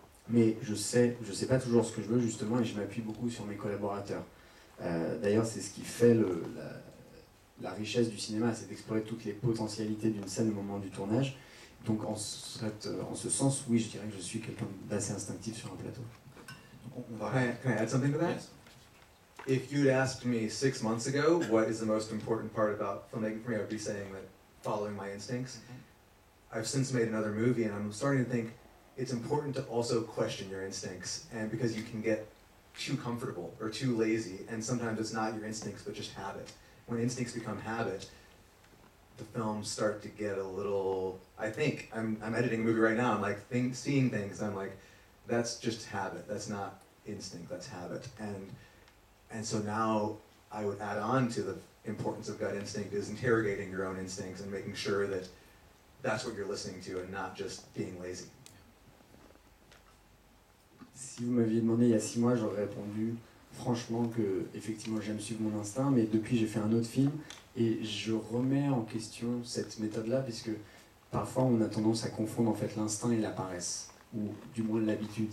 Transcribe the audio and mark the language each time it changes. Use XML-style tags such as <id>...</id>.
<fr>Mais je sais pas toujours ce que je veux, justement, et je m'appuie beaucoup sur mes collaborateurs. D'ailleurs, c'est ce qui fait la richesse du cinéma, c'est d'explorer toutes les potentialités d'une scène au moment du tournage. Donc, en ce sens, oui, je dirais que je suis quelqu'un d'assez instinctif sur un plateau.</fr> <en>Can I add something to that? Yes. If you'd asked me 6 months ago what is the most important part about filmmaking for me, I'd be saying that following my instincts. Mm-hmm. I've since made another movie, and I'm starting to think it's important to also question your instincts, and because you can get too comfortable or too lazy, and sometimes it's not your instincts but just habit. When instincts become habit, the films start to get a little, I think, I'm editing a movie right now, I'm like seeing things, I'm like, that's just habit, that's not instinct, that's habit. And so now I would add on to the importance of gut instinct is interrogating your own instincts and making sure that that's what you're listening to and not just being lazy.</en> <fr>Si vous m'aviez demandé il y a 6 mois, j'aurais répondu franchement que, effectivement, j'aime suivre mon instinct, mais depuis, j'ai fait un autre film et je remets en question cette méthode-là, puisque parfois, on a tendance à confondre en fait l'instinct et la paresse, ou du moins l'habitude.</fr>